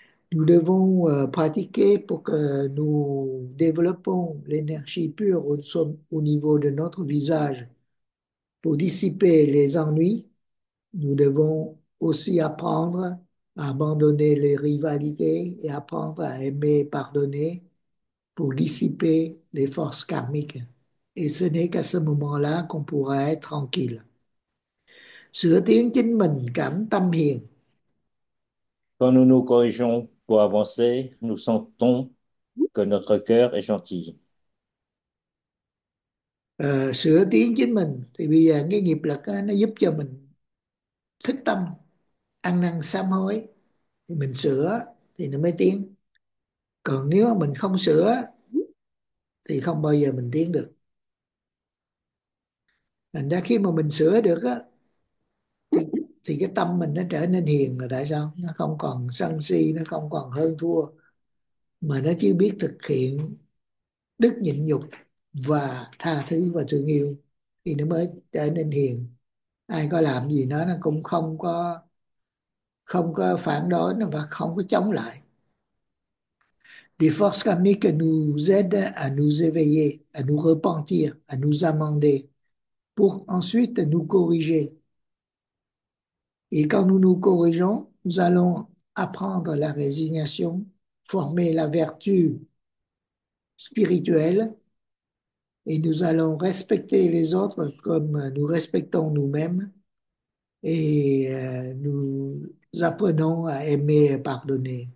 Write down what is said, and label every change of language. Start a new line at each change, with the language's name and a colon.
French: Nous devons pratiquer pour que nous développons l'énergie pure au niveau de notre visage, pour dissiper les ennuis. Nous devons aussi apprendre à abandonner les rivalités et apprendre à aimer et pardonner pour dissiper les forces karmiques. Et ce n'est qu'à ce moment-là qu'on pourra être tranquille.
Vietnamese: Sửa tiếng chính mình, cảm tâm hiền.
French: Quand nous nous corrigeons pour avancer, nous sentons que notre cœur est gentil.
Vietnamese: Sửa tiếng chính mình thì bây giờ cái nghiệp lực đó, nó giúp cho mình thức tâm, ăn năn sám hối, thì mình sửa thì nó mới tiến. Còn nếu mà mình không sửa thì không bao giờ mình tiến được. Thành ra khi mà mình sửa được á, thì cái tâm mình nó trở nên hiền. Là tại sao? Nó không còn sân si, nó không còn hơn thua, mà nó chỉ biết thực hiện đức nhịn nhục và tha thứ và thương yêu, thì nó mới trở nên hiền. Ai có làm gì nó cũng không có phản đối nó và không có chống lại.
French: Les forces karmiques nous aident à nous éveiller, à nous repentir, à nous amender, pour ensuite nous corriger. Et quand nous nous corrigeons, nous allons apprendre la résignation, former la vertu spirituelle, et nous allons respecter les autres comme nous respectons nous-mêmes, et nous apprenons à aimer et pardonner.